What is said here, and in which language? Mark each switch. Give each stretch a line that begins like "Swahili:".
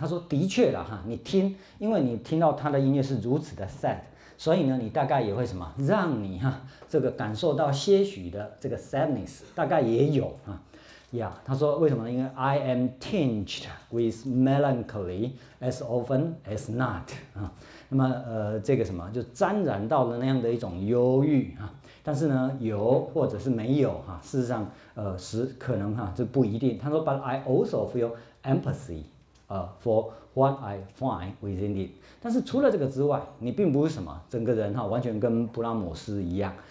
Chinese: 他说的确了哈、啊，你听，因为你听到他的音乐是如此的 sad。所以呢，你大概也会什么，让你哈、啊、这个感受到些许的这个 sadness， 大概也有啊。 Yeah， 他说为什么呢？因为
English: I am tinged with melancholy as often as not 啊。
Chinese: 那么这个什么就沾染到了那样的一种忧郁啊。但是呢，有或者是没有哈、啊，事实上可能哈、啊、这不一定。他说 ，
English: But I also feel empathy。For what I find within it，
Chinese: 但是除了这个之外，你并不是什么整个人哈，完全跟布拉姆斯一样。